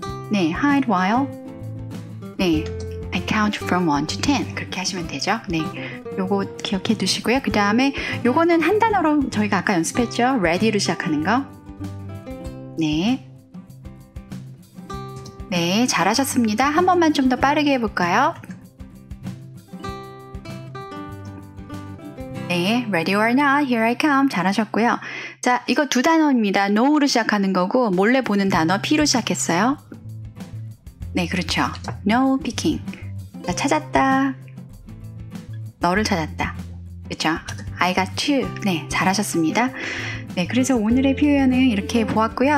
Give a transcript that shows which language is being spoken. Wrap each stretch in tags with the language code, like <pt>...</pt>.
<ko>네,</ko> <en>hide while. 네, I count from 1 to 10.</en> <ko>그렇게 하시면 되죠. 네, 요거 기억해 두시고요. 그 다음에 요거는 한 단어로 저희가 아까 연습했죠. ready로 시작하는 거. 네. 네, 잘하셨습니다. 한 번만 좀 더 빠르게 해볼까요? 네,</ko> <en>ready or not, here I come.</en> <ko>잘하셨고요. 자, 이거 두 단어입니다. know로 시작하는 거고, 몰래 보는 단어, p로 시작했어요. 네, 그렇죠.</ko> <en>No picking.</en> <ko>나 찾았다. 너를 찾았다. 그렇죠.</ko> <en>I got you.</en> <ko>네, 잘하셨습니다. 네, 그래서 오늘의 표현은 이렇게 보았고요.</ko>